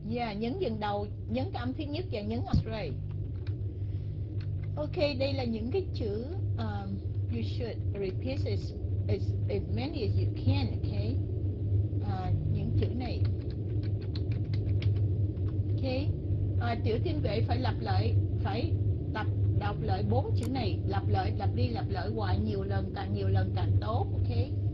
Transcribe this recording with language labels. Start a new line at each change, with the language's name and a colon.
Vietnamese: Yeah, nhấn dừng đầu, nhấn cái âm thứ nhất và nhấn âm ray.
English: Okay,
Vietnamese: đây là những cái chữ
English: you should repeat as many as you can, okay?
Vietnamese: Những chữ này. Okay, Tiểu Thiên Vệ phải lặp lại, phải tập đọc lại bốn chữ này, lặp lại hoài nhiều lần càng tốt, okay?